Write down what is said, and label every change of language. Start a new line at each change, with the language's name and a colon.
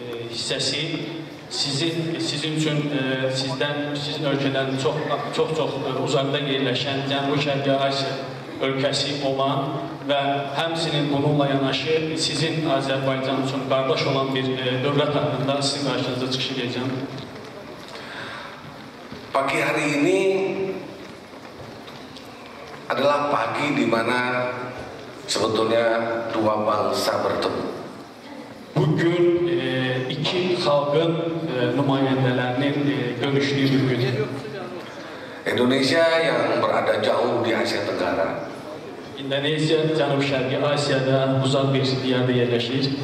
Azerbaijani: hissəsi sizin üçün sizdən, sizin ölkədən çox uzaqda yerləşən Cənub-Şərqi Asiya ölkəsi olan və həmsinin onunla yanaşı sizin Azərbaycan üçün qardaş olan bir dövlət haqqında sizin qarşınızda çıxış edəcəm.
Indonesian: Pagi hari ini adalah pagi di mana sebetulnya dua bangsa bertemu.
Azerbaijani: Bugün iki xalqın nümayəndələrinin görüşdüyü bir gün.
Indonesian: Indonesia yang berada jauh di Asia Tenggara.
Azerbaijani: Indonesia Cənub Şərqi Asiyada uzaq bir yerdə yerləşir.